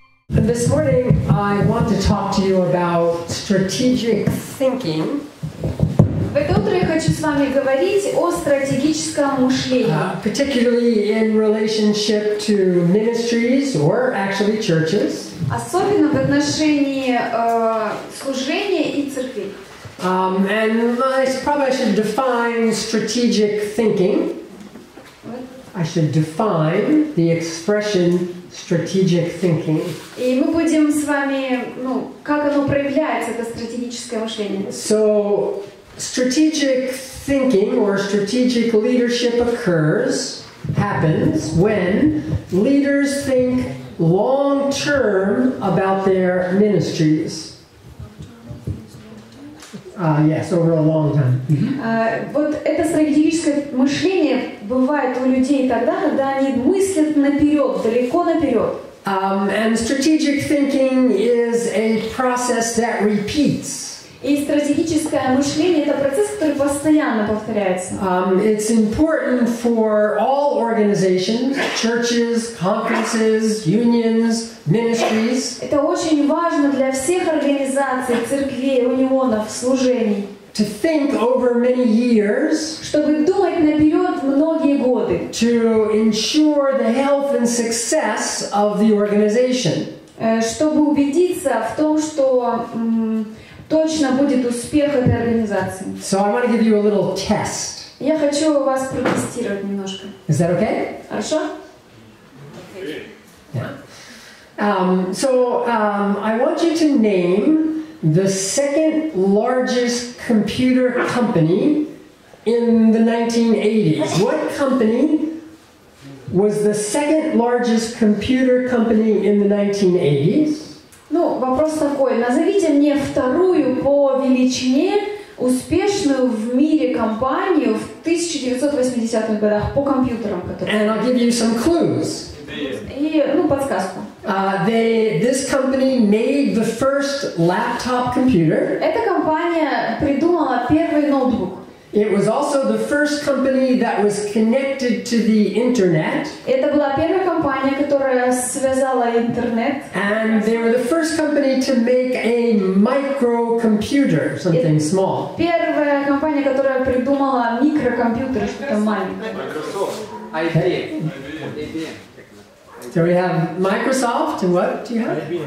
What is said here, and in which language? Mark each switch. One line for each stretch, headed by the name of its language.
English: This morning, I want to talk to you about strategic thinking.
Russian: В это утро я хочу с вами говорить о стратегическом мышлении.
English: Particularly in relationship to ministries or actually churches.
Russian: Особенно в отношении служения и церкви.
English: And I probably should define strategic thinking. I should define the expression strategic thinking.
Russian: И мы будем с вами, ну, как оно проявляется, это стратегическое мышление.
English: So, strategic thinking or strategic leadership happens when leaders think long term about their ministries. Yes, over a long time.
Russian: Вот это стратегическое мышление бывает у людей тогда, когда они мыслят наперед, далеко наперед.
English: And strategic thinking is a process that repeats.
Russian: И стратегическое мышление — это процесс, который постоянно повторяется.
English: It's important for all organizations, churches, conferences, unions, ministries.
Russian: Это очень важно для всех организаций, церквей, унионов, служений.
English: To think over many years.
Russian: Чтобы думать наперед многие годы.
English: To ensure the health and success of the organization.
Russian: Чтобы убедиться в том, что точно будет успех этой организации.
English: So I want to give you a little test.
Russian: Я хочу вас протестировать немножко.
English: Is that okay?
Russian: Хорошо?
English: Okay. Yeah. I want you to name the second largest computer company in the 1980s. What company was the second largest computer company in the 1980s?
Russian: Ну, вопрос такой. Назовите мне вторую по величине успешную в мире компанию в 1980-х годах по компьютерам, которые...
English: And I'll give you some clues.
Russian: И, ну, подсказку.
English: This company made the first laptop computer.
Russian: Эта компания придумала первый ноутбук.
English: It was also the first company that was connected to the internet.
Russian: Это была первая компания, которая связала интернет.
English: And they were the first company to make a microcomputer, something small.
Russian: Первая компания, которая придумала микрокомпьютер, что-то маленькое.
English: Microsoft. IBM. So we have Microsoft, and what do you have?